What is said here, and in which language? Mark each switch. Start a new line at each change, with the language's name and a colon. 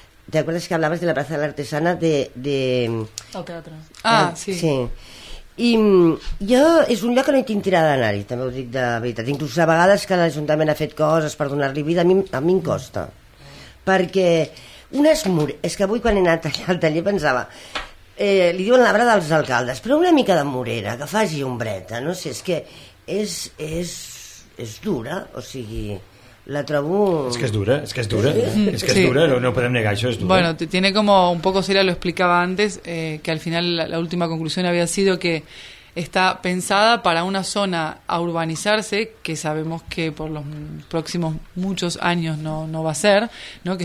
Spanish: ¿Te acuerdas que hablabas de la plaza de la artesana de...
Catalan: El teatre. Ah, sí. Sí. I jo, és un lloc que no hi tinc tirada d'anar-hi, també ho dic de veritat. Inclús a vegades que l'Ajuntament ha fet coses per donar-li vida, a mi em costa. Perquè és que avui quan he anat allà al taller pensava... li diuen la brada dels alcaldes, però una mica de morera, que faci ombreta, no sé, és que és dura, o sigui... La trabú...
Spanish: Es que es dura. Es que sí. Es dura, no podemos negar eso, es dura. Bueno, tiene como, un poco Celia lo explicaba antes, que al final la última conclusión había sido que está pensada para una zona a urbanizarse, que sabemos que por los próximos muchos años no va a ser, ¿no?